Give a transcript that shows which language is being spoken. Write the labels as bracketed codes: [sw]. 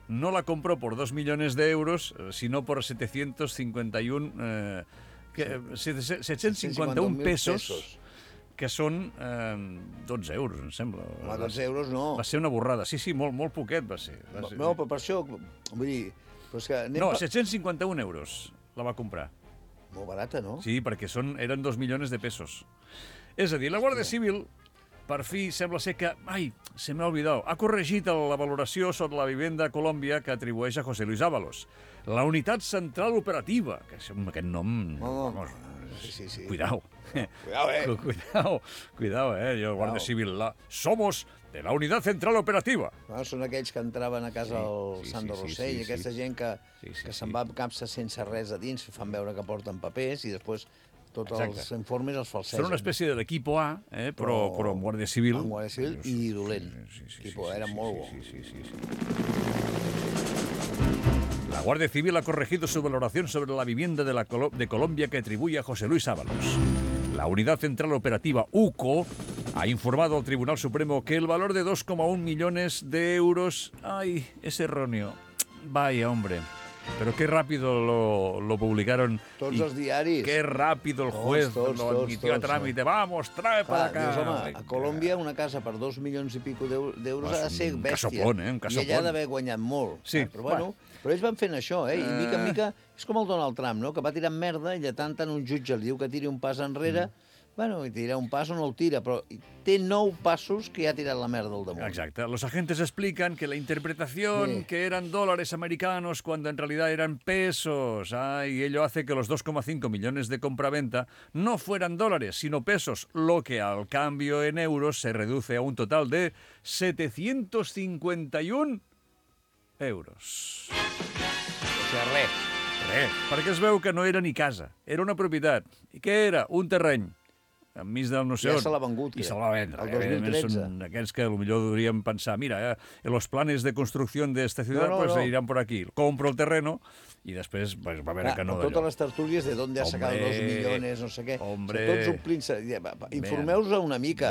[es] No la compró por 2 millones de euros, sino por 751... [ca] 751 pesos, que són 12 euros, em sembla. Va, 12 euros no. Va ser una borrada, sí, sí, molt, molt poquet va ser. No, però per això, vull dir... Però és que no, 751 euros la va comprar. Molt barata, no? Sí, perquè són, eren 2 milions de pesos. És a dir, la Guàrdia Civil, per fi, sembla ser que... Ai, se m'ha oblidat. Ha corregit la valoració sobre la vivenda a Colòmbia que atribueix a José Luis Ábalos. La Unitat Central Operativa, que amb aquest nom... Oh, sí, sí, sí. Cuidao. Cuidao, eh? Cuidao, cuidao, eh? Jo, Guàrdia Civil, la... [es] Somos [ca] de la Unitat Central Operativa. Ah, són aquells que entraven a casa del Sandro Rossell, sí, sí, aquesta sí. Gent que, sí, sí, que se'n va amb capsa sense res a dins, fan veure que porten papers i després tots els informes els falsegen. Són una espècie de l'equip A, però amb Guàrdia Civil. Amb Guàrdia Civil i dolent. L'equip A era molt bo. [es] La Guàrdia Civil ha corregido su valoración sobre la vivienda de, la de Colombia que atribuye a José Luis Ábalos. La Unidad Central Operativa UCO ha informado al Tribunal Supremo que el valor de 2,1 millones de euros... ¡Ay, es erróneo! ¡Vaya, hombre! Pero qué rápido lo publicaron. Todos los diarios. Qué rápido el juez lo admitió a trámite. Vamos, trae para acá. [ca] Dios, home, a Colombia una casa per 2 milions i pico d'euros ha de ser bèstia. Un casopón, eh? Un casopón. I allà ha d'haver guanyat molt. Sí. Però, bueno, però ells van fent això, eh? I mica en mica... És com el Donald Trump, no? Que va tirant merda i de tant en tant un jutge li diu que tiri un pas enrere... [es] Bueno, tira un paso, no lo tira, pero tiene 9 pasos que ha tirado la mierda [ca] al damunt. [es] Exacto. Los agentes explican que la interpretación que eran dólares americanos cuando en realidad eran pesos. Ah, y ello hace que los 2,5 millones de compraventa no fueran dólares, sino pesos, lo que al cambio en euros se reduce a un total de 751 euros. O sea, re. Re. Porque [ca] es veu [es] que no era ni casa, era una propiedad. ¿Y qué era? [ca] Un terreny. Enmig del no sé on. Ja se l'ha vengut. I se'l va vendre. El 2013. Són aquells que potser podríem pensar, mira, [es] los planes [ca] de construcció d'esta ciutat aniran per aquí. [es] Compro el terreno [ca] i després pues, va veure que no. Totes les tertúlies de d'on ha sacat 2 milions, no sé què. [es] Hombre. [ca] Tots omplint-se. Informeu-se una mica.